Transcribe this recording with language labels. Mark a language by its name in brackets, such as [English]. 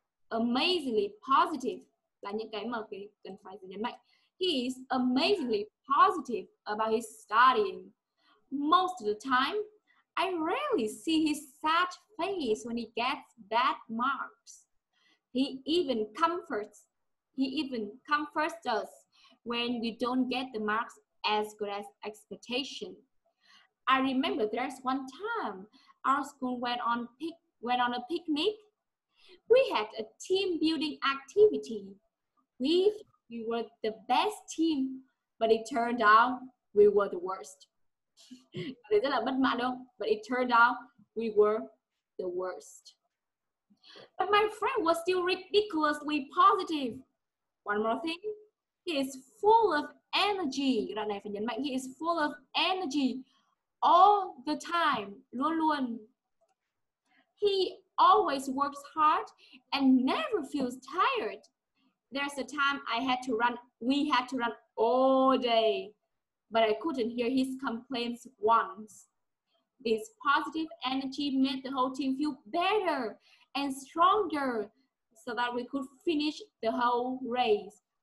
[English] Amazingly positive [Vietnamese] là những cái mà cần phải nhấn mạnh. [English] He is amazingly positive about his studying. Most of the time, I rarely see his sad face when he gets bad marks. He even comforts us when we don't get the marks as good as expectation. I remember there's one time our school went on a picnic. We had a team building activity. We were the best team But it turned out we were the worst. [Vietnamese] Đấy rất là bất mãn đúng không? [English] But it turned out we were the worst. But my friend was still ridiculously positive. One more thing. He is full of energy. [Vietnamese] Đoạn này phải nhấn mạnh. [English] He is full of energy all the time. [Vietnamese] Luôn luôn. [English] He always works hard and never feels tired. There's a time I had to run. We had to run all day. But I couldn't hear his complaints once. This positive energy made the whole team feel better and stronger so that we could finish the whole race.